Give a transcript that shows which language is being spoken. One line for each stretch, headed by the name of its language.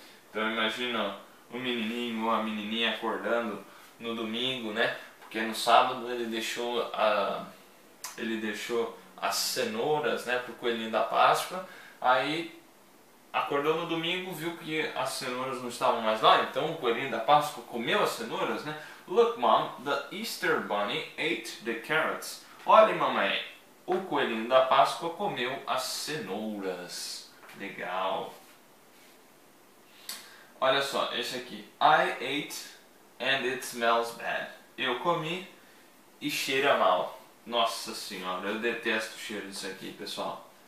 Portuguese: Então imagina o menininho ou a menininha acordando no domingo, né? Porque no sábado ele deixou as cenouras, né, pro coelhinho da Páscoa. Aí acordou no domingo, viu que as cenouras não estavam mais lá. Então o coelhinho da Páscoa comeu as cenouras, né?
English: Look, mom, the Easter bunny ate the carrots.
Portuguese: Olhe, mamãe, o coelhinho da Páscoa comeu as cenouras. Legal. Olha só, esse aqui.
English: I ate and it smells bad.
Portuguese: Eu comi e cheira mal. Nossa senhora, eu detesto o cheiro disso aqui, pessoal.